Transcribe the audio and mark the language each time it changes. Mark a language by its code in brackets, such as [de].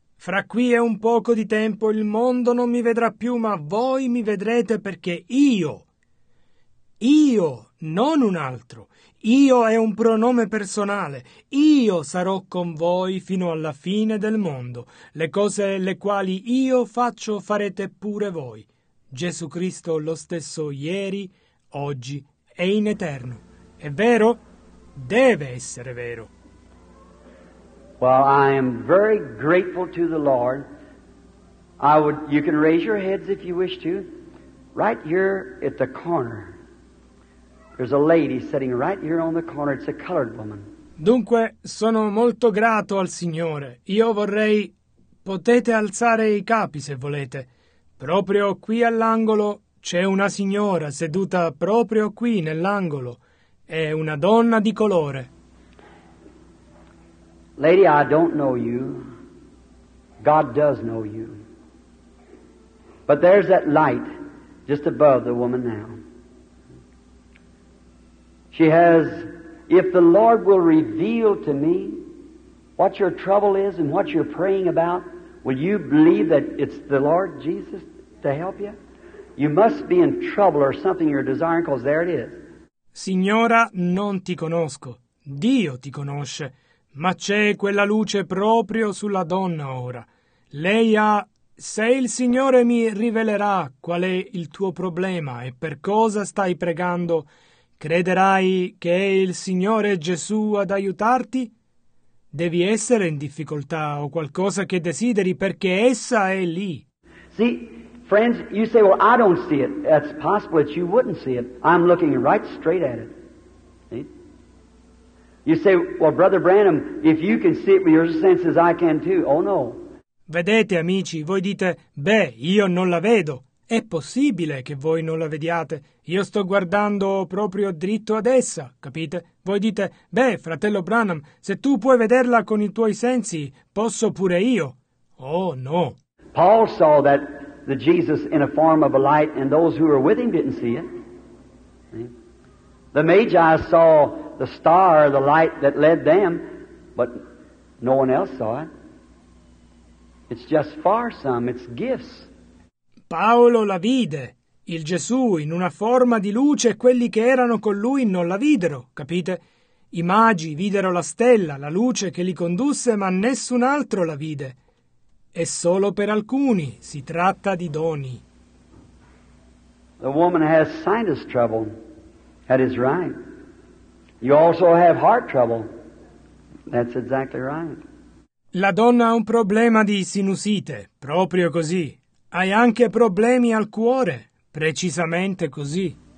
[it] Fra qui e un poco di tempo il mondo non mi vedrà più, ma voi mi vedrete perché io, non un altro, io è un pronome personale. Io sarò con voi fino alla fine del mondo. Le cose le quali io faccio farete pure voi. Gesù Cristo lo stesso ieri, oggi e in eterno. È vero? Deve essere vero. [en] Well, I am very grateful to the Lord. You can raise your heads if you wish to. Right here at the corner. There's a lady sitting right here on the corner. It's a colored woman. [it] Dunque, sono molto grato al Signore. Io vorrei... Potete alzare i capi, se volete. Proprio qui all'angolo c'è una signora seduta proprio qui nell'angolo. È una donna di colore. [en] Lady, I don't know you. God does know you. But there's that light just above the woman now. She has, if the Lord will reveal to me what your trouble is and what you're praying about, will you believe that it's the Lord Jesus to help you? You must be in trouble or something you're desiring, because there it is. [it] Signora, non ti conosco. Dio ti conosce. Ma c'è quella luce proprio sulla donna ora. Lei ha, se il Signore mi rivelerà qual è il tuo problema e per cosa stai pregando, crederai che è il Signore Gesù ad aiutarti? Devi essere in difficoltà o qualcosa che desideri perché essa è lì. [en] See, friends, you say, well, I don't see it. That's possible that you wouldn't see it. I'm looking right straight at it. See? You say, well, Brother Branham, if you can see it with your senses, I can too. Oh, no. [it] Vedete, amici, voi dite, beh, io non la vedo. È possibile che voi non la vediate. Io sto guardando proprio dritto ad essa, capite? Voi dite, beh, fratello Branham, se tu puoi vederla con i tuoi sensi, posso pure io. Oh, no. [en] Paul saw that the Jesus in a form of a light, and those who were with him didn't see it. The Magi saw the star, the light that led them, but no one else saw it. It's just far some, it's gifts. [it] Paolo la vide, il Gesù in una forma di luce e quelli che erano con lui non la videro, capite? I magi videro la stella, la luce che li condusse, ma nessun altro la vide. è solo per alcuni, si tratta di doni. [en] The woman has sinus trouble. That is right. You also have heart trouble. That's exactly right. [it] La donna ha un problema di sinusite, proprio così. Hai anche problemi al cuore, precisamente così.